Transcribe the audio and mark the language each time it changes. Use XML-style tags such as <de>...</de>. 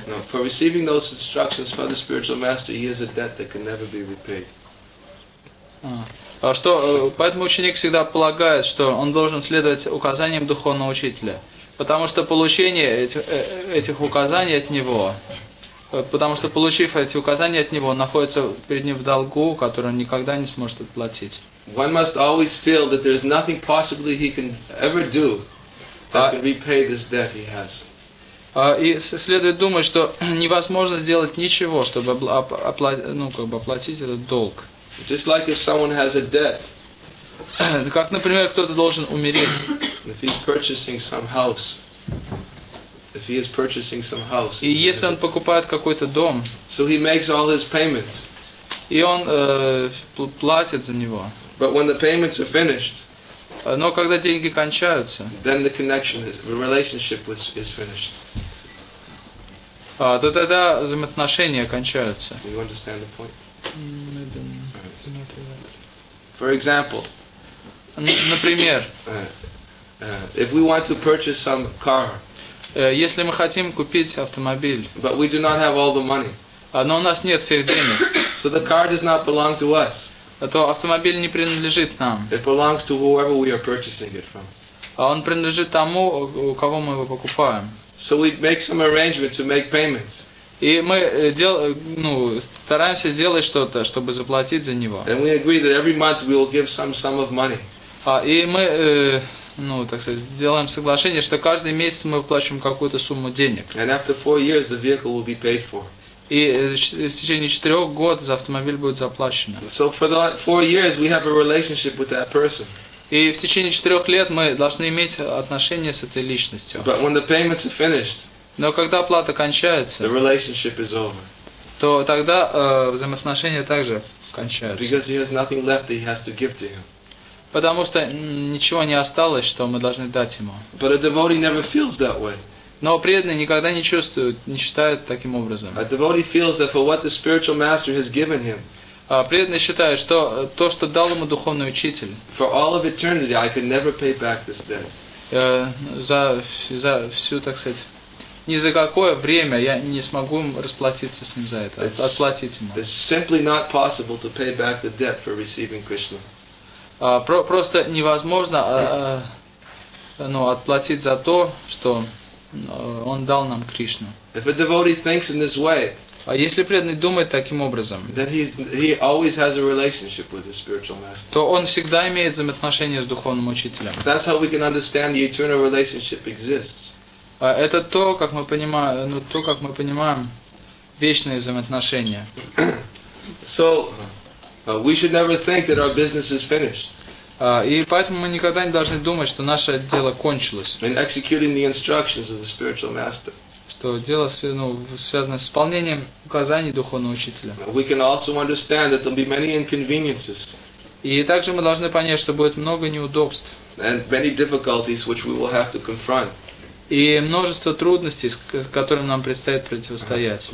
<en>For receiving those instructions from the spiritual master, he has a debt that can never be repaid.</en> <ru>Поэтому ученик всегда полагает, что он должен следовать указаниям духовного учителя. Потому что получение этих указаний от него, потому что получив эти указания от него, он находится перед ним в долгу, который он никогда не сможет отплатить.</ru> <en>One must always feel that there's nothing possibly he can ever do that can repay this debt he has.</en> <ru>И следует думать, что невозможно сделать ничего, чтобы оплатить этот долг.</ru> <en>Just like if someone has a debt.</en> <ru>Как, например, кто-то должен умереть.</ru> <en>If he's purchasing some house. If he is purchasing some house.</en> <ru>И если он покупает какой-то дом.</ru> <en>So he makes all his payments.</en> <ru>И он платит за него.</ru> <en>But when the payments are finished.</en> <ru>Но когда деньги кончаются.</ru> <en>Then the connection is, the relationship is finished.</en> <ru>То тогда взаимоотношения кончаются.</ru> <en>Do you understand the point? Maybe. For example,</en> <ru>например,</ru> <en>if we want to purchase some car,</en> <ru>если мы хотим купить автомобиль,</ru> <en>but we do not have all the money,</en> <ru>но у нас нет всех денег,</ru> <en>so the car does not belong to us,</en> <ru>то автомобиль не принадлежит нам,</ru> <en>it belongs to whoever we are purchasing it from,</en> <ru>он принадлежит тому, у кого мы его покупаем,</ru> <en>So we make some arrangement to make payments.</en> <ru>И мы стараемся сделать что-то, чтобы заплатить за него.</ru> <en>And we agree that every month we will give some sum of money.</en> <ru>И мы, сделаем соглашение, что каждый месяц мы выплачиваем какую-то сумму денег.</ru> <en>And after 4 years the vehicle will be paid for.</en> <ru>И в течение 4 года за автомобиль будет заплачено.</ru> <en>So for the 4 years we have a relationship with that person.</en> <ru>И в течение 4 лет мы должны иметь отношения с этой личностью.</ru> <en>But when the payments are finished.</en> <ru>Но когда оплата кончается,</ru> <en>the relationship is over.</en> <ru>То тогда взаимоотношения также кончаются.</ru> <en>Because he has nothing left that he has to give to him.</en> <ru>Потому что ничего не осталось, что мы должны дать ему.</ru> <en>But a devotee never feels that way.</en> <ru>Но преданный никогда не чувствует, не считает таким образом.</ru> <en>A devotee feels that for what the spiritual master has given him.</en> <ru>Преданный считает, что то, что дал ему духовный учитель.</ru> <en>For all of eternity, I could never pay back this debt.</en> <ru>За всю, так сказать. Ни за какое время я не смогу расплатиться с ним за это, отплатить ему.</ru> <en>It's simply not possible to pay back the debt for receiving Krishna.</en> <ru>Просто невозможно отплатить за то, что он дал нам Кришну.</ru> <en>If a devotee thinks in this way,</en> <ru>если преданный думает таким образом,</ru> <en>then he always has a relationship with his spiritual master.</en> <ru>То он всегда имеет взаимоотношения с духовным учителем.</ru> <en>That's how we can understand the eternal relationship exists.</en> <ru>Это то, как мы понимаем, вечные взаимоотношения.</ru> <en>So, we should never think that our business is finished.</en> <ru>И поэтому мы никогда не должны думать, что наше дело кончилось.</ru> <en>In executing the instructions of the spiritual master.</en> <ru>Что дело связано с исполнением указаний духовного учителя.</ru> <en>We can also understand that there'll be many inconveniences.</en> <ru>И также мы должны понять, что будет много неудобств.</ru> <en>And many difficulties which we will have to confront.</en> <ru>И множество трудностей, с которыми нам предстоит противостоять.</ru>